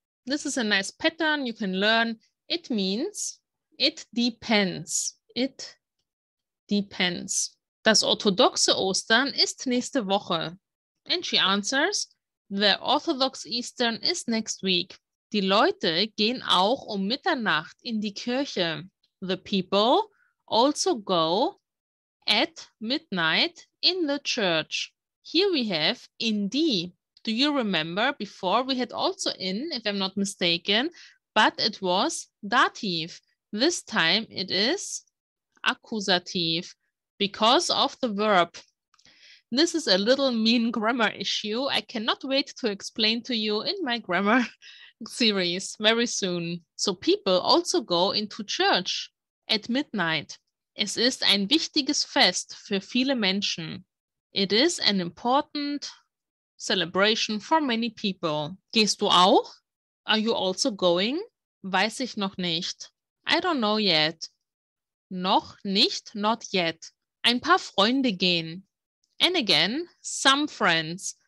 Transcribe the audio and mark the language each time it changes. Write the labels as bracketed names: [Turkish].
[English] This is a nice pattern you can learn. It means it depends. It depends. [German] Das orthodoxe Ostern ist nächste Woche. [English] And she answers, the orthodox Eastern is next week. [German] Die Leute gehen auch um Mitternacht in die Kirche. [English] The people also go at midnight in the church. Here we have in die. Do you remember before we had also in, if I'm not mistaken, but it was dativ. This time it is accusative. Because of the verb. This is a little mean grammar issue. I cannot wait to explain to you in my grammar series very soon. So people also go into church at midnight. [German] Es ist ein wichtiges Fest für viele Menschen. [English] It is an important celebration for many people. [German] Gehst du auch? [English] Are you also going? [German] Weiß ich noch nicht. [English] I don't know yet. [German] Noch nicht, [English] not yet. [German] Ein paar Freunde gehen. [English] And again, some friends.